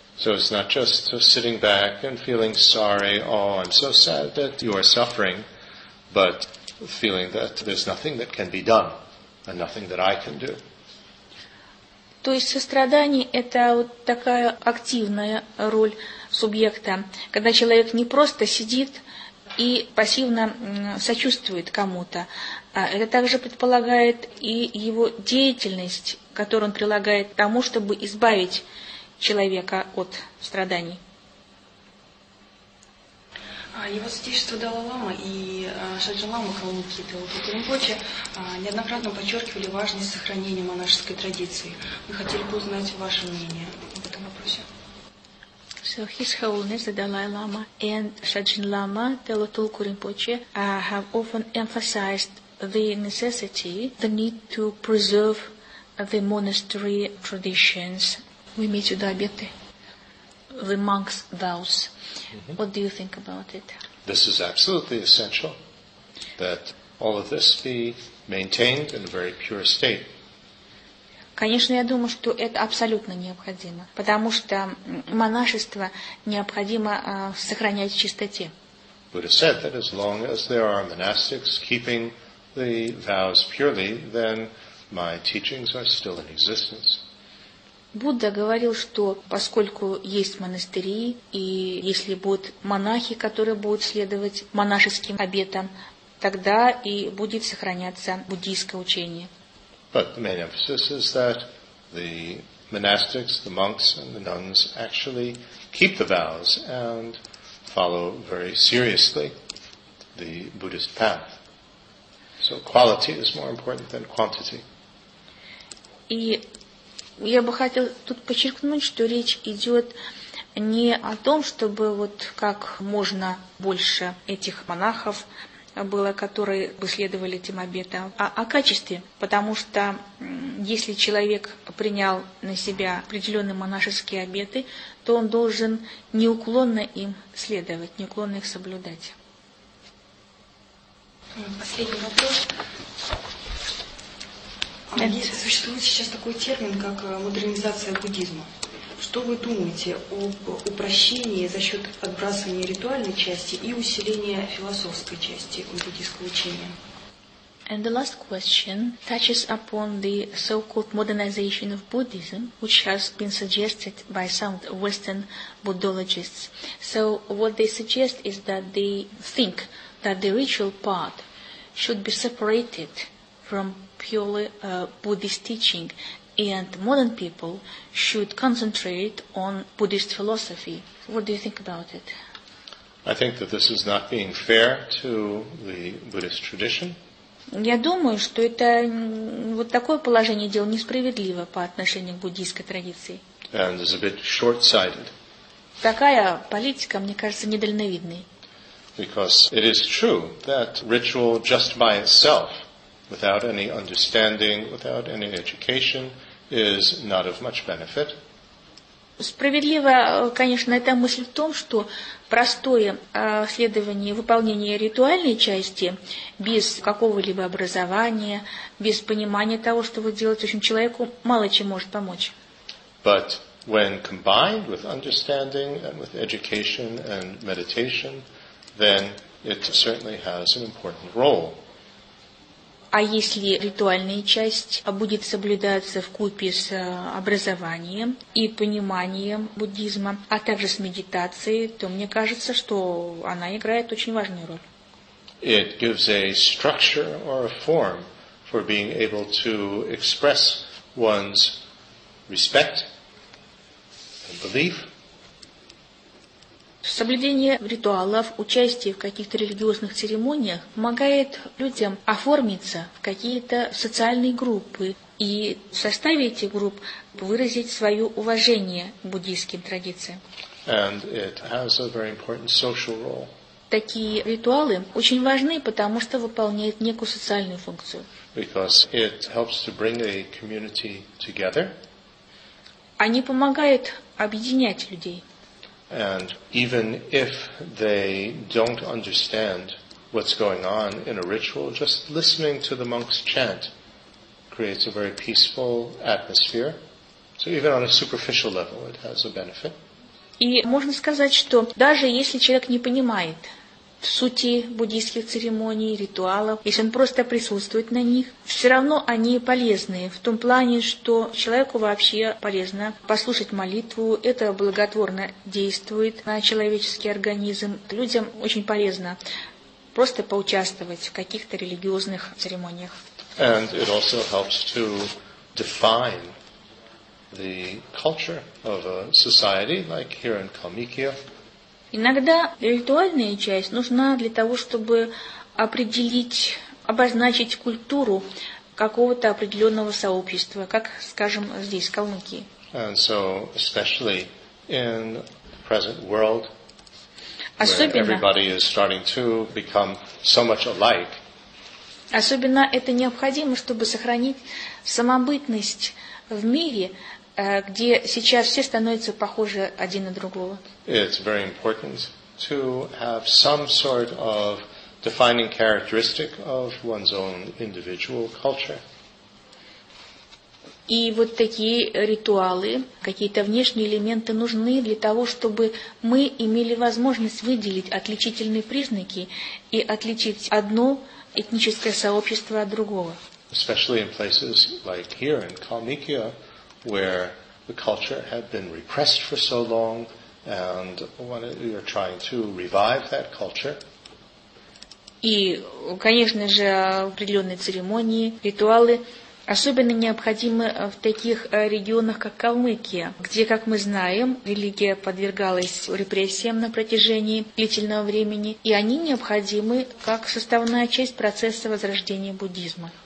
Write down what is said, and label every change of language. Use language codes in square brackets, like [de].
[en] So it's not just sitting back and feeling sorry, oh, I'm so sad that you are suffering, but feeling that there's nothing that can be done and nothing that I can do. [ru] То есть сострадание — это вот такая активная роль субъекта, когда человек не просто сидит и пассивно сочувствует кому-то. Это также предполагает и его деятельность, которую он прилагает к тому, чтобы избавить человека от страданий. Его святейшество Далай-лама и Шаджи-лама Калмыкии и Тхеренпочи неоднократно подчеркивали важность сохранения монашеской традиции. Мы хотели бы узнать ваше мнение об этом вопросе. [en] So His Holiness the Dalai Lama and Shajin Lama Thelotulku Rinpoche have often emphasized the necessity, the need to preserve the monastery traditions. [ru] Вы имеете в виду обеты? [en] The monk's vows. Mm-hmm. What do you think about it? This is absolutely essential, that all of this be maintained in a very pure state. [ru] Конечно, я думаю, что это абсолютно необходимо, потому что монашество необходимо сохранять в чистоте. [en] Buddha said that as long as there are monastics keeping the vows purely, then my teachings are still in existence. [ru] Будда говорил, что поскольку есть монастыри, и если будут монахи, которые будут следовать монашеским обетам, тогда и будет сохраняться буддийское учение. [en] But the main emphasis is that the monastics, the monks and the nuns actually keep the vows and follow very seriously the Buddhist path. So quality is more important than quantity. [ru] И я бы хотел тут подчеркнуть, что речь идет не о том, чтобы вот как можно больше этих монахов было, которые бы следовали этим обетам, а о качестве. Потому что если человек принял на себя определенные монашеские обеты, то он должен неуклонно им следовать, неуклонно их соблюдать. Последний вопрос. Существует сейчас такой термин, как модернизация буддизма. Что вы думаете об упрощении за счет отбрасывания ритуальной части и усиления философской части буддийского учения? [en] And the last question touches upon the so-called modernization of Buddhism, which has been suggested by some Western Buddhologists. So what they suggest is that they think that the ritual part should be separated from purely Buddhist teaching, and modern people should concentrate on Buddhist philosophy. What do you think about it? I think that this is not being fair to the Buddhist tradition. [ru] Я думаю, что это вот такое положение дел несправедливо по отношению к буддийской традиции. [en] And is a bit short-sighted. [ru] Такая политика, мне кажется, недальновидной. [en] Because it is true that ritual just by itself, without any understanding, without any education, is not of much benefit. [ru] Справедливо, конечно, эта мысль в том, что простое следование, выполнение ритуальной части без какого-либо образования, без понимания того, что вы делаете, в общем, человеку мало чем может помочь. [en] But when combined with understanding and with education and meditation, then it certainly has an important role. [ru] А если ритуальная часть будет соблюдаться вкупе с образованием и пониманием буддизма, а также с медитацией, то мне кажется, что она играет очень важную роль. [en] It gives a structure or a form for being able to express one's respect and belief. [ru] Соблюдение ритуалов, участие в каких-то религиозных церемониях помогает людям оформиться в какие-то социальные группы и в составе этих групп выразить свое уважение к буддийским традициям. [en] And it has a very important social role. [ru] Такие ритуалы очень важны, потому что выполняют некую социальную функцию. [en] Because it helps to bring a community together. [ru] Они помогают объединять людей. [en] And even if they don't understand what's going on in a ritual, just listening to the monks chant creates a very peaceful atmosphere. So even on a superficial level, it has a benefit. [ru] И можно сказать, что даже если человек не понимает сути буддийских церемоний, ритуалов, если он просто присутствует на них, все равно они полезны в том плане, что человеку вообще полезно послушать молитву, это благотворно действует на человеческий организм. Людям очень полезно просто поучаствовать в каких-то религиозных церемониях. [en] And it also helps to define the culture of a society, like here in Калмыкии. [ru] Иногда ритуальная часть нужна для того, чтобы определить, обозначить культуру какого-то определенного сообщества, как, скажем, здесь, в Калмыкии. [en] And so, especially in the present world, [ru] особенно, [en] where everybody is starting to become so much alike. [ru] Особенно это необходимо, чтобы сохранить самобытность в мире, где сейчас все становятся похожи один на другого. [en] It's very important to have some sort of defining characteristic of one's own individual culture. [ru] И вот такие ритуалы, какие-то внешние элементы нужны для того, чтобы мы имели возможность выделить отличительные признаки и отличить одно этническое сообщество от другого. [en] Especially in places like here in Калмыкия, where the culture had been repressed for so long, and when you're trying to revive that culture. [ru] И, конечно же, определенные церемонии, ритуалы особенно необходимы в таких регионах, как Калмыкия, где, как мы знаем, религия подвергалась репрессиям на протяжении длительного времени, и они необходимы как составная часть процесса возрождения буддизма.